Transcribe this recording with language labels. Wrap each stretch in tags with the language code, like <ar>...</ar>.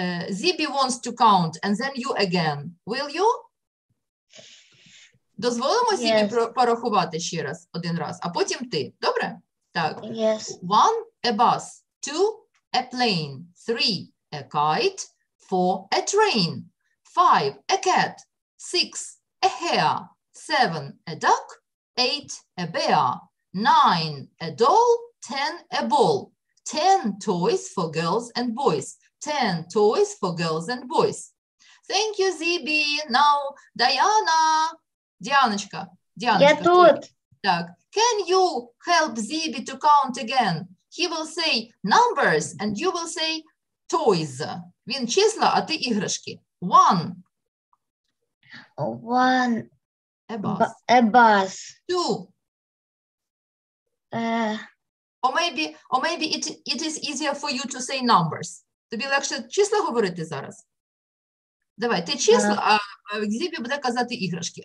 <en>Зібі wants to count, and then you again, will you?</en> <uk>Дозволимо Зібі</uk> <en>yes.</en> <uk>порахувати ще раз, один раз, а потім ти, добре? Так.</uk> <en>Yes. 1, a bus, 2, a plane, 3, a kite, 4, a train, 5, a cat, 6, a hare, 7, a duck, 8, a bear, 9, a doll, 10, a ball, 10 toys for girls and boys. Thank you, Зібі. Now, Diana, Діаночка, Діаночка.</en> <uk>Я тут. Так.</uk> <en>Can you help Зібі to count again? He will say numbers and you will say toys.</en> <uk>Він числа, а ти іграшки.</uk> <en>One. One. A bus. Two. Or maybe it is easier for you to say numbers.</en> <uk>Тобі легше числа говорити зараз? Давай, ти числа, а Зібі буде казати іграшки.</uk>